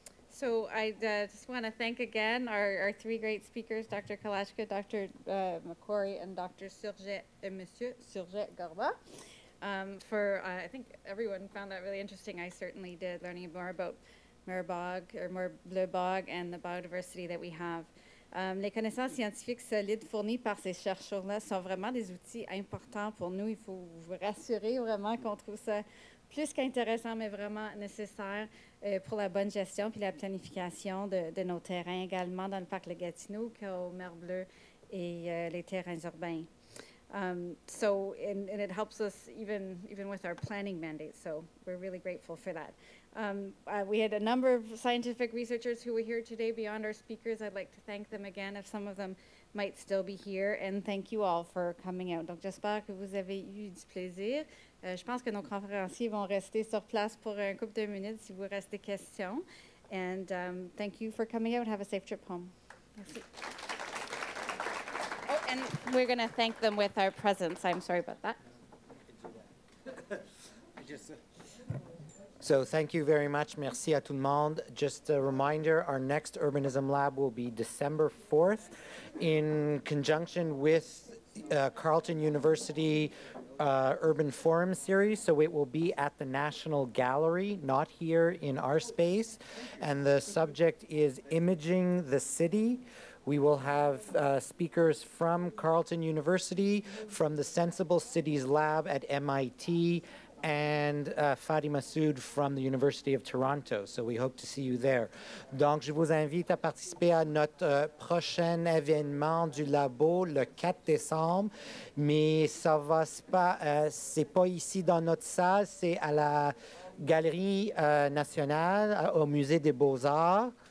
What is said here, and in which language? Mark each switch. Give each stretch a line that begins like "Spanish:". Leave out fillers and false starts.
English: So I just want to thank again our three great speakers, Dr. Kalashka, Dr. McCory, and Dr. Surjet, and Monsieur Surjet Garba. I think everyone found that really interesting. I certainly did, learning more about Mirebog, or more Bleu Bog, and the biodiversity that we have.
French: Les connaissances scientifiques solides fournies par ces chercheurs-là sont vraiment des outils importants pour nous. Il faut vous rassurer vraiment qu'on trouve ça plus qu'intéressant, mais vraiment nécessaire pour la bonne gestion puis la planification de nos terrains, également dans le parc Le Gatineau, qu'au Mer Bleu et les terrains urbains.
English: And it helps us even with our planning mandate, so we're really grateful for that. We had a number of scientific researchers who were here today beyond our speakers. I'd like to thank them again, if some of them might still be here, and thank you all for coming out.
French: Donc, j'espère que vous avez eu du plaisir. Je pense que nos conférenciers vont rester sur place pour un couple de minutes si vous restez questions.
English: And thank you for coming out. Have a safe trip home. Merci. Oh, and we're going to thank them with our presence. I'm sorry about that. So thank you very much.
French: Merci à tout le monde.
English: Just a reminder, our next Urbanism Lab will be December 4th in conjunction with Carleton University Urban Forum Series. So it will be at the National Gallery, not here in our space. And the subject is Imaging the City. We will have speakers from Carleton University, from the Sensible Cities Lab at MIT, and Fadi Massoud from the University of Toronto. So we hope to see you there.
French: Donc, je vous invite à participer à notre prochain événement du labo le 4 décembre. Mais ça va pas, c'est pas ici dans notre salle, c'est à la Galerie nationale, au Musée des Beaux-Arts.